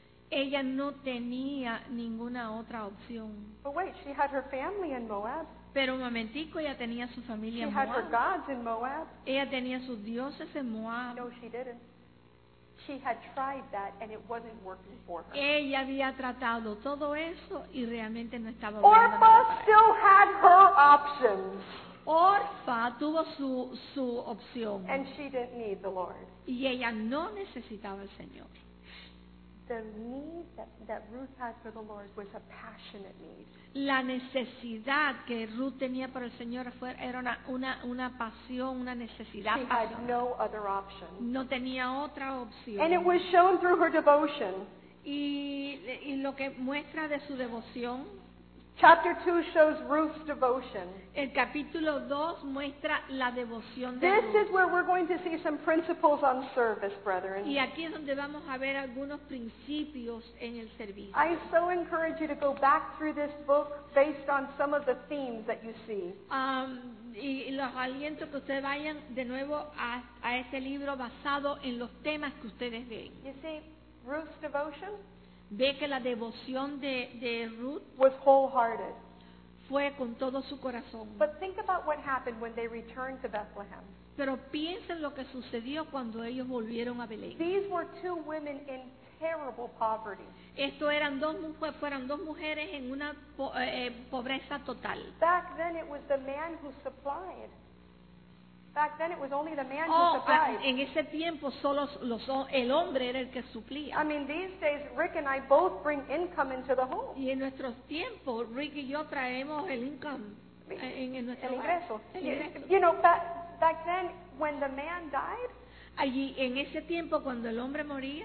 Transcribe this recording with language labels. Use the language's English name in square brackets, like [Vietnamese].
[Spanish] Ella no tenía ninguna otra opción. [English] But wait, she had her family in Moab. [Spanish] Pero un momentico, ella tenía su familia [English] she [Spanish] en Moab. [English] Had her gods in Moab. [Spanish] Ella tenía sus dioses en Moab. [English] No, she didn't. She had tried that and it wasn't working for her. [Spanish] Ella había tratado todo eso y realmente no estaba [English] Orpa still had her options. [Spanish] Orpa tuvo su opción. [English] And she didn't need the Lord. [Spanish] Y ella no necesitaba al Señor. [English] The need that Ruth had for the Lord was a passionate need. [Spanish] La necesidad que Ruth tenía por el Señor era una pasión, una necesidad. [English] She had no other option. [Spanish] No tenía otra opción. [English] And it was shown through her devotion. [Spanish] Y lo que muestra de su devoción. [English] Chapter 2 shows Ruth's devotion. [Spanish] El capítulo 2 muestra la devoción de [English] This [Spanish] Ruth. [English] Is where we're going to see some principles on service, brethren. [Spanish] Y aquí es donde vamos a ver algunos principios en el servicio. [English] I so encourage you to go back through this book based on some of the themes that you see. [Spanish] Y los aliento que ustedes vayan de nuevo a este libro basado en los temas que ustedes ven. [English] You see Ruth's devotion? [Spanish] Ve que la devoción de Ruth [English] was wholehearted. [Spanish] Fue con todo su corazón. [English] But think about what happened when they returned to Bethlehem. [Spanish] Pero piensen lo que sucedió cuando ellos volvieron a Belén. [English] These were two women in terrible poverty. [Spanish] Esto eran fueron dos mujeres en una pobreza total. [English] Back then it was the man who supplied. Back then it was only the man who supplied. [Spanish] En ese tiempo solo el hombre era el que suplía. [English] I mean, these days Rick and I both bring income into the home. [Spanish] Y en nuestros tiempos Rick y yo traemos el income en nuestro el ingreso. Ingreso. [English] You know, back then when the man died, [Spanish] allí en ese tiempo cuando el hombre moría,